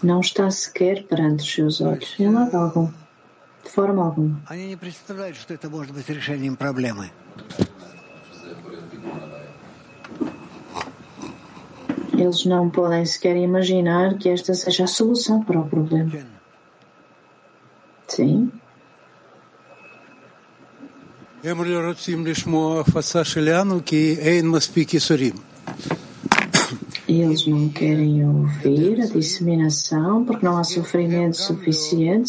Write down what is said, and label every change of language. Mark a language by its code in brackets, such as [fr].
[pt] Não está sequer perante os seus olhos, em lado algum, de forma alguma. [ru] Они не представляют, что это может быть решением проблемы. [pt] Eles não podem sequer imaginar que esta seja a solução para o problema. Sim. [he] הם לא רוצים לשמוע הפצה שלנו כי אין מספיק יסורים. [pt] Eles não querem ouvir a disseminação porque não há sofrimento suficiente.